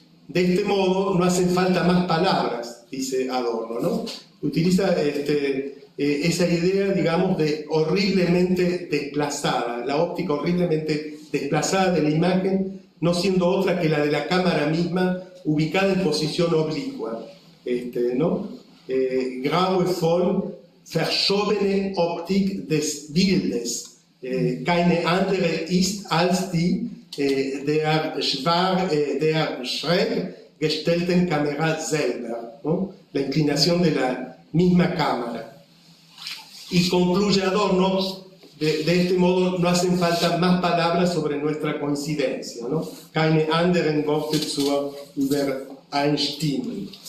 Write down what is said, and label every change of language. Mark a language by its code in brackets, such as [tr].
[es] De este modo, no hacen falta más palabras, dice Adorno, ¿no? Utiliza esa idea, digamos, de horriblemente desplazada, la óptica horriblemente desplazada de la imagen, no siendo otra que la de la cámara misma ubicada en posición oblicua, ¿no? [de] Graue Form, verschobene Optik des Bildes, keine andere ist als die der schräg gestellten Kamera selber, [es] ¿no? La inclinación de la misma cámara. Y concluye Adorno, de este modo no hacen falta más palabras sobre nuestra coincidencia, ¿no? [de] Keine anderen Worte zur Übereinstimmung.